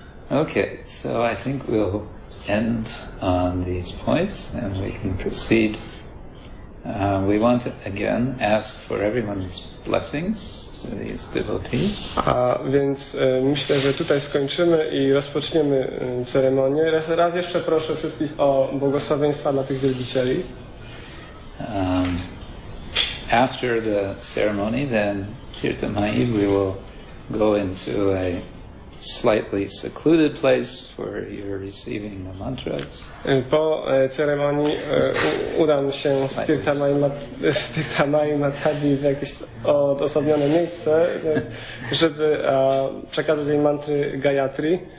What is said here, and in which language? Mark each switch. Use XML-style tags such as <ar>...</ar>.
<en>Okay, so I think we'll end on these points and we can proceed. We want to again ask for everyone's blessings to these devotees.</en> <pl>A więc myślę, że tutaj skończymy i rozpoczniemy ceremonię. Raz jeszcze proszę wszystkich o błogosławieństwa dla tych wielbicieli.</pl> <en>After the ceremony, then Tirtha Mahi, we will go into a slightly secluded place for your receiving the mantras.</en> <pl>Po ceremonii udam się z Tirtha Mahi Mataji w jakieś odosobnione miejsce, żeby przekazać jej mantry Gayatri.</pl>